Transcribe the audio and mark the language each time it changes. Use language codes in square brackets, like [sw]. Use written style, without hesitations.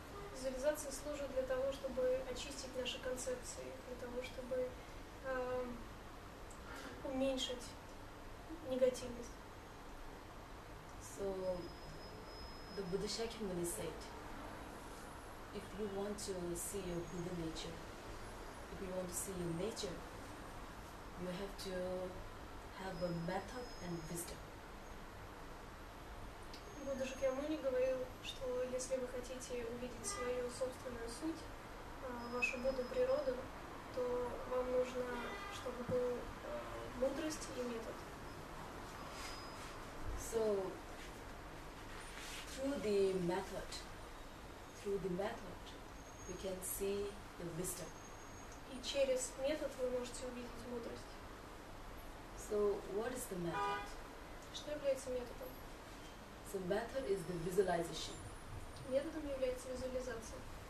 [ru] Визуализация служит для того, чтобы очистить наши концепции, для того, чтобы уменьшить негативность. [en] So the Buddha Shakyamuni said, if you want to see your Buddha nature, if you want to see your nature, you have to have a method and wisdom. [ru] Будда Шакьямуни говорил, что если вы хотите увидеть свою собственную суть, вашу Будду природу, то вам нужно, чтобы был мудрость и метод. [en] So through the method, we can see the wisdom. [ru] И через метод вы можете увидеть мудрость. [en] So what is the method? [ru] Что является методом? [en] So method is the visualization. [ru] Методом является визуализация.